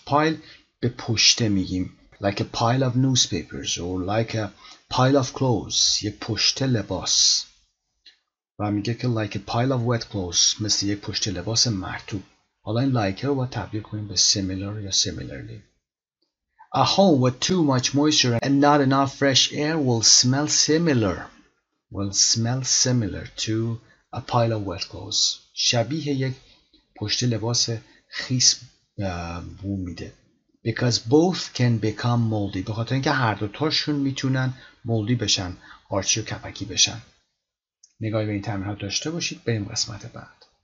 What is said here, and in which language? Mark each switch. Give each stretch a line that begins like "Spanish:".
English: pile
Persian: به پشته میگیم.
English: Like a pile of newspapers or like a pile of clothes.
Persian: یه پشته لباس. و میگه که
English: like a pile of wet clothes.
Persian: مثل یک پشته لباس مرطوب. حالا این like رو با تبدیل کنیم به similar یا similarly.
English: A home with too much moisture and not enough fresh air will smell similar. Will smell similar to a pile of wet clothes.
Persian: شبیه یک پشته لباس خیس بو میده.
English: Because both can become moldy.
Persian: به خاطر اینکه هر دوتاشون میتونن moldy بشن. قارچی و کپکی بشن. نگاهی به این تمرینات داشته باشید. بریم قسمت بعد.